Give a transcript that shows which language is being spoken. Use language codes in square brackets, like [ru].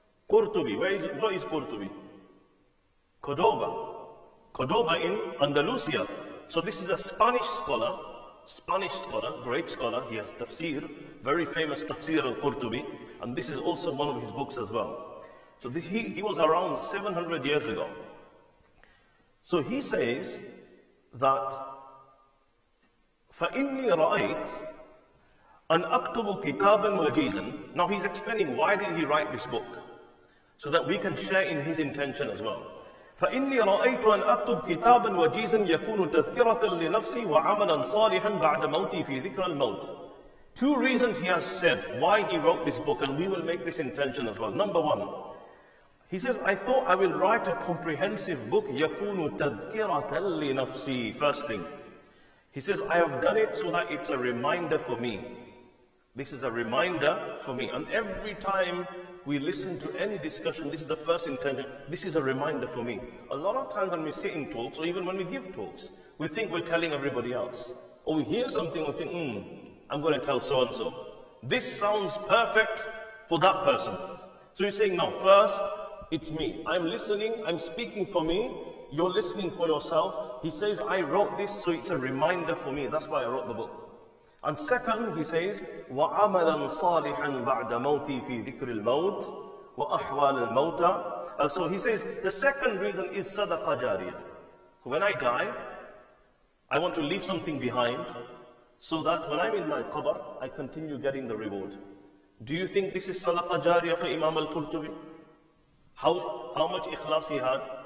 [en] Qurtubi, where is Qurtubi? Cordoba in Andalusia. So this is a Spanish scholar, great scholar. He has tafsir, very famous tafsir Al-Qurtubi. And this is also one of his books as well. So he was around 700 years ago. So he says that [ar] فَإِنِّي رَأَيْتْ أَنْ أَكْتُبُ كِتَابًا وَجِيزًا. [en] Now he's explaining why did he write this book, so that we can share in his intention as well. [ar] فَإِنِّي رَأَيْتْ أَنْ أَكْتُبُ كِتَابًا وَجِيزًا يَكُونُ تَذْكِرَةً لِنَفْسِي وَعَمَلًا صَالِحًا بَعْدَ مَوْتِي فِي ذِكْرَ الْمَوْتِ. [en] Two reasons he has said why he wrote this book, and we will make this intention as well. Number one, he says, I thought I will write a comprehensive book, [ar] يَكُونُ تَذْكِرَةً لِنَفْسِي. [en] First thing. He says, I have done it so that it's a reminder for me. This is a reminder for me. And every time we listen to any discussion. This is the first intention. This is a reminder for me. A lot of times when we sit in talks, or even when we give talks, we think we're telling everybody else. Or we hear something, we think, I'm going to tell so-and-so. This sounds perfect for that person. So you're saying, no, first, it's me. I'm listening, I'm speaking for me. You're listening for yourself. He says, I wrote this, so it's a reminder for me. That's why I wrote the book. And second, he says, [ar] وَعَمَلًا صَالِحًا بَعْدَ مَوْتِي فِي ذِكْرِ الْمَوْتِ وَأَحْوَالِ الْمَوْتَ. [en] So he says, the second reason is [ar] صَدَقَ جَارِيًا. [en] When I die, I want to leave something behind, so that when I'm in my qabr, I continue getting the reward. Do you think this is [ar] صَدَقَ جَارِيًا [en] for Imam Al-Qurtubi? How much ikhlas he had?